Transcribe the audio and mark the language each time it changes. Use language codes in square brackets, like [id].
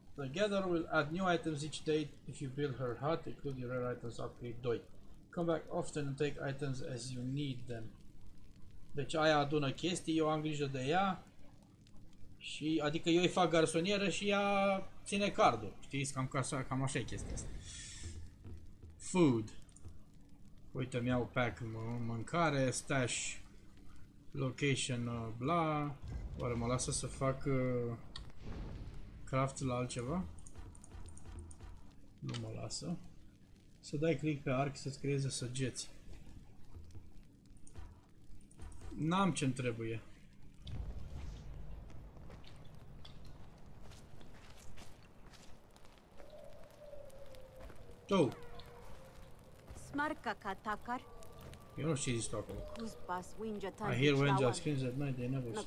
[en] The gatherer will add new items each day if you build her hut, including rare items upgrade 2. Come back often and take items as you need them. [ro] Deci aia adună chestii, eu am grijă de ea. Și, adică eu îi fac garsonieră și ea ține cardul. Știți, cam așa e chestia asta. Food. Uite, mi-au pack mâncare, stash, location, bla. Oare mă lasă să fac craft la altceva? Nu mă lasă. Să dai click pe arc să-ți creeze săgeți. N-am ce-mi trebuie. Tu! Smarka katakar? Eu nu știu ce zici tu acolo. Kuzbas, [en] Winja, I hear Winja screams at night, they never stop.